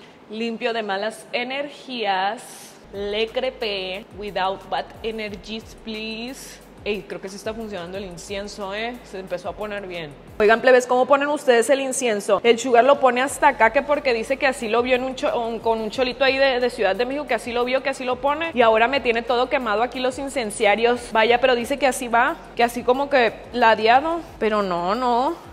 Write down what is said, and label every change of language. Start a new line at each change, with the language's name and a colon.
Spanish: Limpio de malas energías. Le crepé.
English: Without bad energies, please.
Spanish: Ey, creo que sí está funcionando el incienso, ¿eh? Se empezó a poner bien. Oigan, plebes, ¿cómo ponen ustedes el incienso? El Sugar lo pone hasta acá, que porque dice que así lo vio en con un cholito ahí de Ciudad de México, que así lo vio, que así lo pone. Y ahora me tiene todo quemado aquí los incenciarios. Vaya, pero dice que así va, que así como que ladeado. Pero no, no.